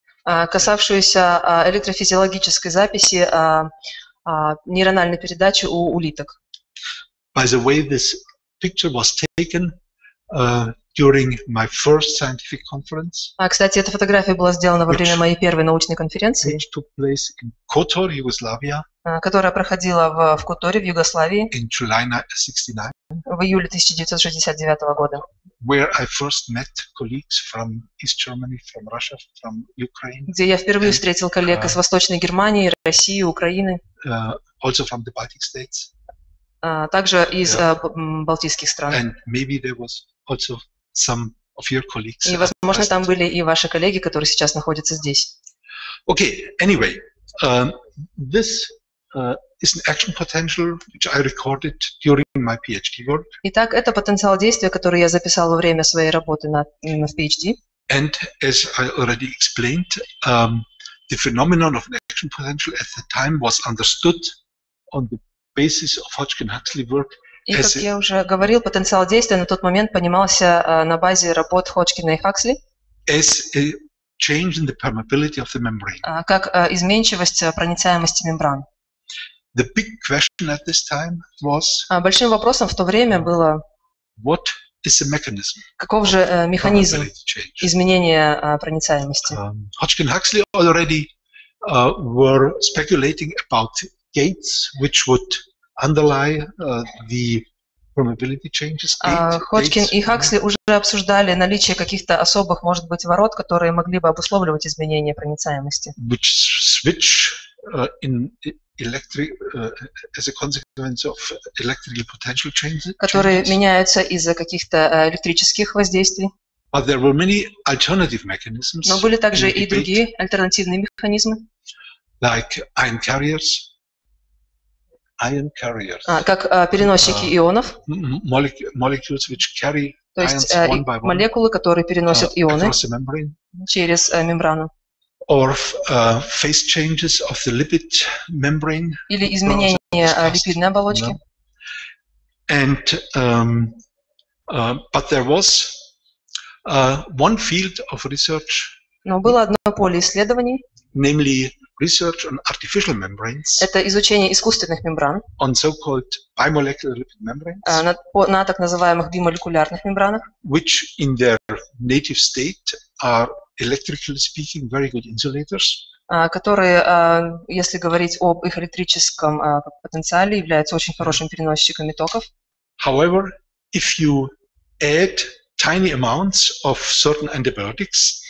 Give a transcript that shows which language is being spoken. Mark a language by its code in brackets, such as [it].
[ru] Касавшуюся электрофизиологической записи нейрональной передачи у улиток. [en] By the way, this picture was taken during my first scientific conference. [ru] Кстати, эта фотография была сделана во время моей первой научной конференции. [en] Which took place in Kotor, Yugoslavia. [ru] Которая проходила в Которе, в Югославии. [en] In July 1969. [ru] В июле 1969 года. [en] Where I first met colleagues from East Germany, from Russia, from Ukraine. [ru] Где я впервые встретил коллег из Восточной Германии, России, Украины. [en] Also from the Baltic states. [ru] Также из балтийских стран. [en] And maybe there was also some of your colleagues. [ru] И, возможно, там были и ваши коллеги, которые сейчас находятся здесь. [en] Okay. Anyway, this is an action potential which I recorded during my PhD work. [ru] Итак, это потенциал действия, который я записал во время своей работы на PhD. [en] And as I already explained, the phenomenon of an action potential at the time was understood on the basis of Hodgkin-Huxley work. [ru] И, как я уже говорил, потенциал действия на тот момент понимался на базе работ Ходжкина и Хаксли. [en] As a change in the permeability of the membrane. [ru] Как изменчивость проницаемости мембран. [en] The big question at this time was. [ru] Большим вопросом в то время было. [en] What is the mechanism? [ru] Каков же механизм изменения проницаемости? [en] Hodgkin-Huxley already were speculating about gates which would underlie the permeability changes. [ru] Ходжкин и Хаксли уже обсуждали наличие каких-то особых, может быть, ворот, которые могли бы обусловливать изменение проницаемости. [en] Which switch in electric as a consequence of electrical potential changes? [ru] Которые меняются из-за каких-то электрических воздействий. [en] But there were many alternative mechanisms. [ru] Но были также и другие альтернативные механизмы. [en] Like ion carriers. Ion carriers. [ru] Как переносчики ионов. [en] Molecules which carry ions one by one. [ru] То есть молекулы, которые переносят ионы через мембрану. [en] Or phase changes of the lipid membrane. [ru] Или изменение липидной оболочки. [en] And but there was one field of research. [ru] Но было одно поле исследований. [en] Namely research on artificial membranes. [ru] Это изучение искусственных мембран. [en] On so-called bimolecular lipid membranes. [ru] На так называемых бимолекулярных мембранах. [en] Which in their native state are electrically speaking very good insulators. [ru] Которые, если говорить об их электрическом потенциале, являются очень хорошими переносчиками токов. [en] However, if you add tiny amounts of certain antibiotics.